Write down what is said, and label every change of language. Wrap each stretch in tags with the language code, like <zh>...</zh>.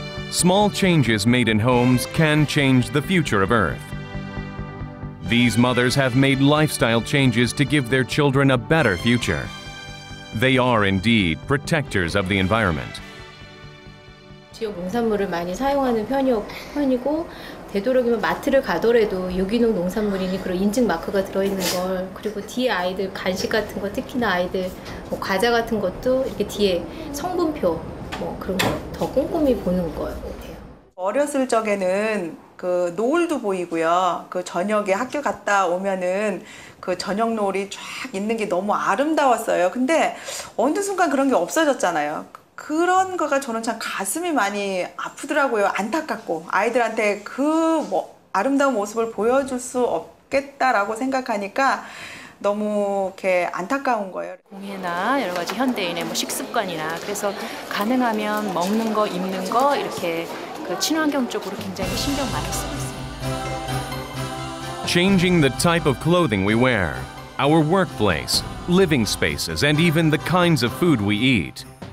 <en>Small changes made in homes can change the future of Earth. These mothers have made lifestyle changes to give their children a better future. They are indeed protectors of the environment.</en> <ko>지역 농산물을 많이 사용하는 편이고 되도록이면 마트를 가더라도 유기농 농산물이니 그런 인증 마크가 들어있는 걸 그리고 뒤에 아이들 간식 같은 거 특히나 아이들 뭐 과자 같은 것도 이렇게 뒤에 성분표 뭐 그런 거 더 꼼꼼히 보는 것 같아요. 어렸을 적에는 그 노을도 보이고요. 그 저녁에 학교 갔다 오면은 그 저녁 노을이 쫙 있는 게 너무 아름다웠어요. 근데 어느 순간 그런 게 없어졌잖아요. 그런 거가 저는 참 가슴이 많이 아프더라고요. 안타깝고 아이들한테 그 뭐 아름다운 모습을 보여줄 수 없겠다라고 생각하니까 너무 이렇게 안타까운 거예요. 공해나 여러 가지 현대인의 뭐 식습관이나 그래서 가능하면 먹는 거, 입는 거 이렇게 그 친환경 쪽으로 굉장히 신경 많이 쓰고 있습니다.</ko> <en>Changing the type of clothing we wear, our workplace, living spaces, and even the kinds of food we eat.</en>